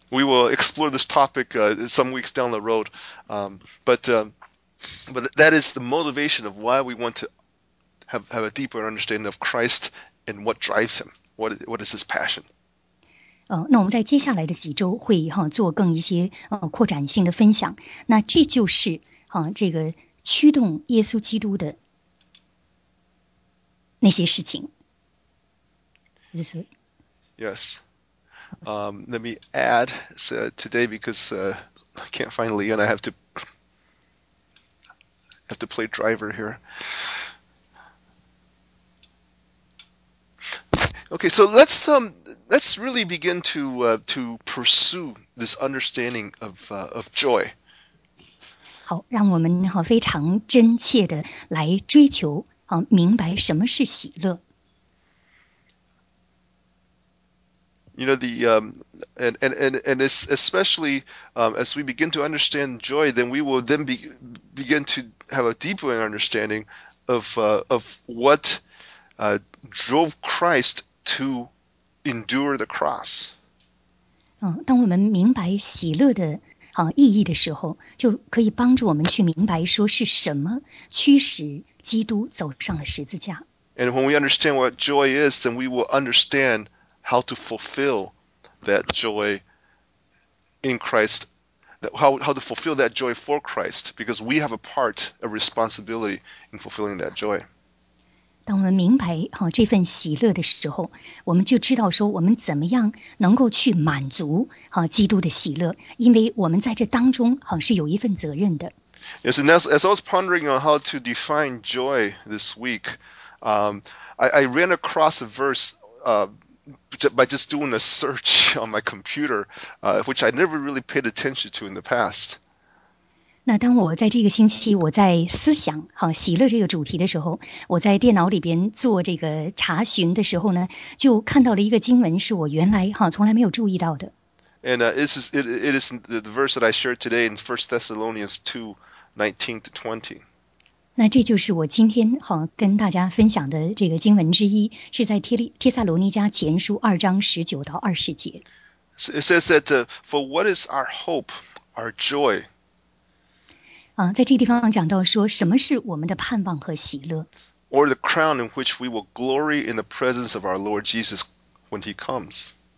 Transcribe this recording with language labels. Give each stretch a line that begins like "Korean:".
English: We will explore this topic some weeks down the road, but that is the motivation of why we want to have a deeper understanding of Christ and what drives him, what is his passion.
Chinese: 那我们在接下来的几周会哈、做更一些扩展性的分享。那这就是哈、这个驱动耶稣基督的那些事情。
English: Is it? Yes. Let me add so today because I can't find Leon. I have to play driver here. Okay, so let's really begin to pursue this understanding of joy.
Chinese: 好，让我们好非常真切的来追求，好明白什么是喜乐。
English: You know, the and it's especially as we begin to understand joy, then we will then begin to have a deeper understanding of what drove Christ to endure the cross.
Chinese: 当我们明白喜乐的意义的时候，就可以帮助我们去明白说是什么驱使基督走上了十字架。
English: And when we understand what joy is, then we will understand how to fulfill that joy in Christ, how to fulfill that joy for Christ, because we have a part, a responsibility in fulfilling that joy.
Chinese: 当我们明白这份喜乐的时候，我们就知道说我们怎么样能够去满足基督的喜乐，因为我们在这当中是有一份责任的。
English: Yes, and as I was pondering on how to define joy this week, I ran across a verse by just doing a search on my computer, which I never really paid attention to in the past.
Chinese: 那当我在这个星期我在思想喜乐这个主题的时候，我在电脑里边做这个查询的时候呢，就看到了一个经文是我原来从来没有注意到的。
English: And it is the verse that I shared today in 1 Thessalonians 2:19-20.
Chinese: 那这就是我今天跟大家分享的这个经文之一，是在帖撒罗尼迦前书2:19-20.
English: It says that for what is our hope, our joy?
Chinese: 在这个地方讲到说什么是我们的盼望和喜乐。
English: Or the crown in which we will glory in the presence of our Lord Jesus when he comes.